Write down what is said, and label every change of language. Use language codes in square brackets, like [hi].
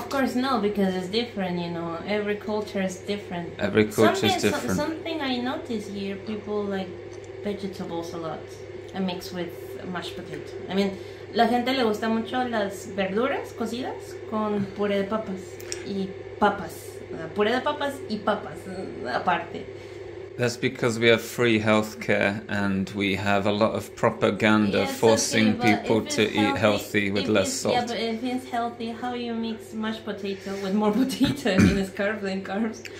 [en] Of course no, because it's different, you know. Every culture is different. Every culture is different. Something I notice here, people like vegetables a lot. And mix with mashed potato. I mean, [es] la gente le gusta mucho las verduras cocidas con puré de papas. Y papas. Puré de papas y papas, aparte. [en] That's because we have free healthcare and we have a lot of propaganda forcing people to eat healthy with less salt. Yeah, but if it's healthy, how you mix mashed potato with more potato? I mean, it's carbs and carbs.